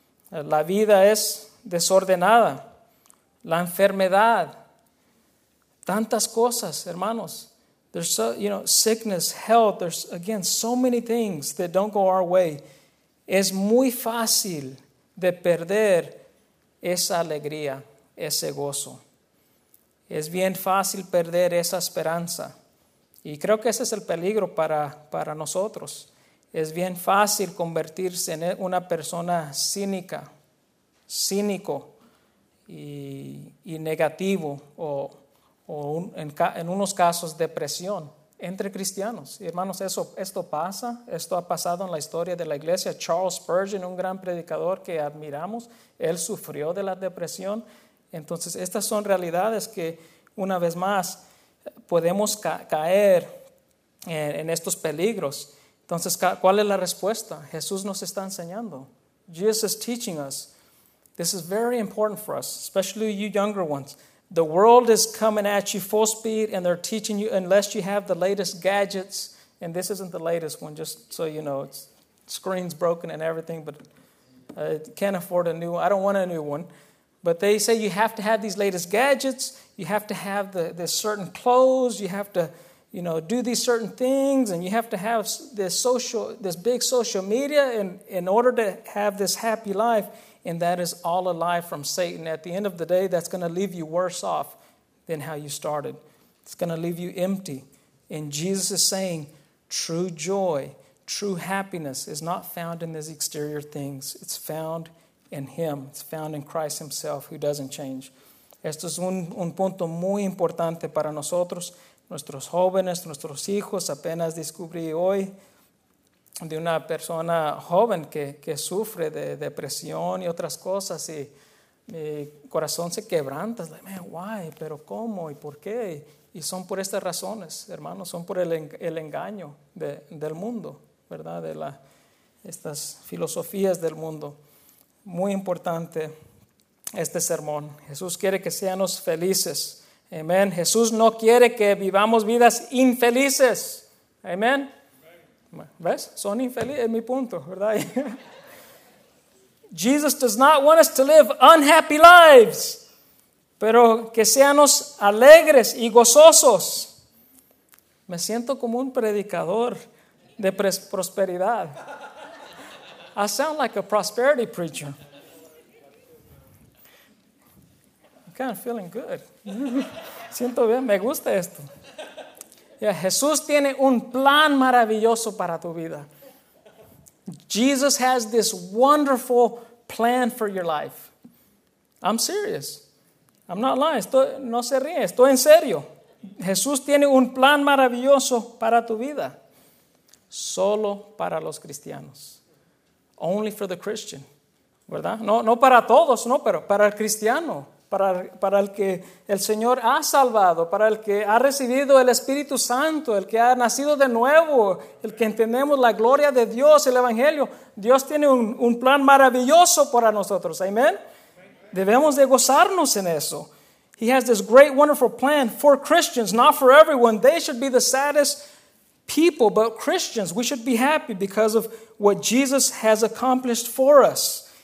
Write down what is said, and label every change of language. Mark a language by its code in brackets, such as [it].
[es] La vida es desordenada. La enfermedad. Tantas cosas, hermanos. [en] There's so, you know, sickness, health. There's again so many things that don't go our way. [es] Es muy fácil de perder esa alegría, ese gozo. Es bien fácil perder esa esperanza. Y creo que ese es el peligro para nosotros. Es bien fácil convertirse en una persona cínica, cínico y negativo, o en unos casos depresión entre cristianos. Y hermanos, esto pasa, esto ha pasado en la historia de la iglesia. Charles Spurgeon, un gran predicador que admiramos, él sufrió de la depresión. Entonces, estas son realidades que, una vez más, podemos caer en estos peligros. Entonces, ¿cuál es la respuesta? Jesús nos está enseñando. [en] Jesus is teaching us. This is very important for us, especially you younger ones. The world is coming at you full speed, and they're teaching you, unless you have the latest gadgets, and this isn't the latest one, just so you know, it's screen's broken and everything, but I can't afford a new one. I don't want a new one. But they say you have to have these latest gadgets, you have to have the certain clothes, you have to, you know, do these certain things, and you have to have this big social media in order to have this happy life. And that is all a lie from Satan. At the end of the day, that's going to leave you worse off than how you started. It's going to leave you empty. And Jesus is saying true joy, true happiness is not found in these exterior things. It's found in Him. It's found in Christ Himself, who doesn't change. [es] Esto es un punto muy importante para nosotros, nuestros jóvenes, nuestros hijos. Apenas descubrí hoy de una persona joven que sufre de depresión y otras cosas, y mi corazón se quebranta. Es [en] like, man, why? [es] ¿Pero cómo? ¿Y por qué? Y son por estas razones, hermanos. Son por el engaño del mundo, ¿verdad? De estas filosofías del mundo. Muy importante este sermón. Jesús quiere que seamos felices. Amén. Jesús no quiere que vivamos vidas infelices. Amén. ¿Ves? Son infelices, es mi punto, ¿verdad? [en] Jesus does not want us to live unhappy lives, [es] pero que seamos alegres y gozosos. Me siento como un predicador de prosperidad. [en] I sound like a prosperity preacher. I'm kind of feeling good. [es] Siento bien, me gusta esto. Yeah, Jesús tiene un plan maravilloso para tu vida. [en] Jesus has this wonderful plan for your life. I'm serious. I'm not lying. [es] No se ríe. Estoy en serio. Jesús tiene un plan maravilloso para tu vida. Solo para los cristianos. [en] Only for the Christian. [es] ¿Verdad? No para todos, no, pero para el cristiano. Para el que el Señor ha salvado, para el que ha recibido el Espíritu Santo, el que ha nacido de nuevo, el que entendemos la gloria de Dios, el Evangelio. Dios tiene un plan maravilloso para nosotros. Amén. Debemos de gozarnos en eso. [en] He has this great, wonderful plan for Christians, not for everyone. They should be the saddest people, but Christians, we should be happy because of what Jesus has accomplished for us.